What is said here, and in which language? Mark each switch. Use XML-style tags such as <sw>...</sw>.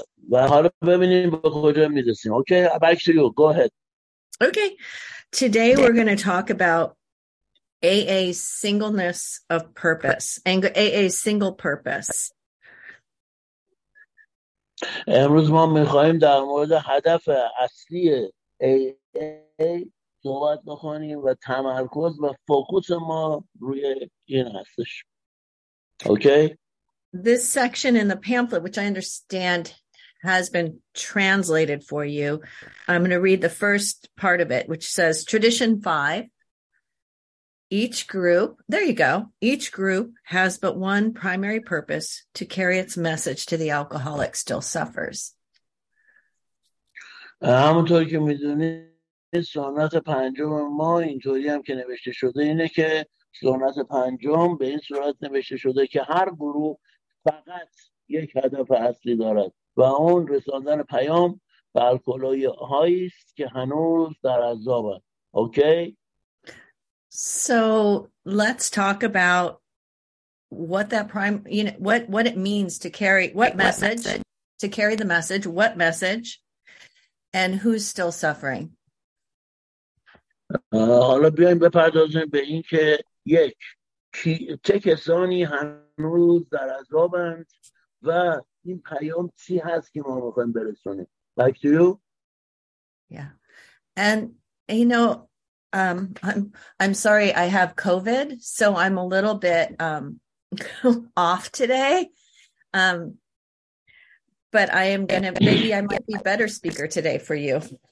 <fa>و حالا ببینیم به کجا میرسیم.</fa> <en>Okay, back to you. Go ahead. Okay. Today we're going to talk about AA singleness of purpose and AA single purpose.</en> <fa>امروز ما میخواییم در مورد هدف اصلی AA صحبت بکنیم و تمرکز و فوکوس ما روی این هستش.</fa> <en>Okay? This section in the pamphlet, which I understand has been translated for you, I'm going to read the first part of it, which says tradition 5. Each group, there you go. Each group has but one primary purpose: to carry its message to the alcoholic still suffers.</en> <fa>همونطور که میدونید سنت پنجم ما اینطوری هم که نوشته شده اینه که سنت پنجم به این صورت نوشته شده که هر گروه فقط یک هدف اصلی دارد و اون رساندن پیام به الکلی هایی است که هنوز در عذاب هستند.</fa> <en>Okay? So let's talk about what that prime, you know, what it means to carry what message, to carry the message, what message, and who's still suffering.</en> <fa>حالا بیایم بپردازیم به این که یک چه کسانی هنوز در عذابند و این پیام چی هست که ما میخوایم برسونیم.</fa> <en>Back to you. Yeah. And you know, I'm sorry, I have COVID, so I'm a little bit off today. But I am gonna maybe I might be better speaker today for you.</en>